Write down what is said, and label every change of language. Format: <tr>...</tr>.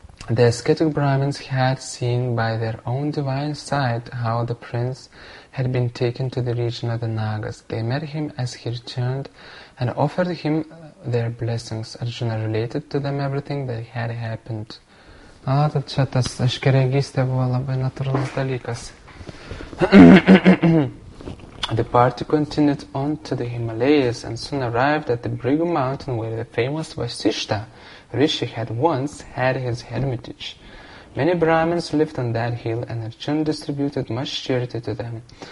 <en>The ascetic Brahmins had seen by their own divine sight how the prince had been taken to the region of the Nagas. They met him as he returned and offered him their blessings. Arjuna related to them everything that had happened.</en> <lt>Tad čia tas aiškiaregystė buvo labai natūralus dalykas.</lt> <en>The party continued on to the Himalayas and soon arrived at the Bhrigu mountain where the famous Vasishta Rishi had once had his hermitage. Many Brahmins lived on that hill, and Arjuna distributed much charity to them.</en>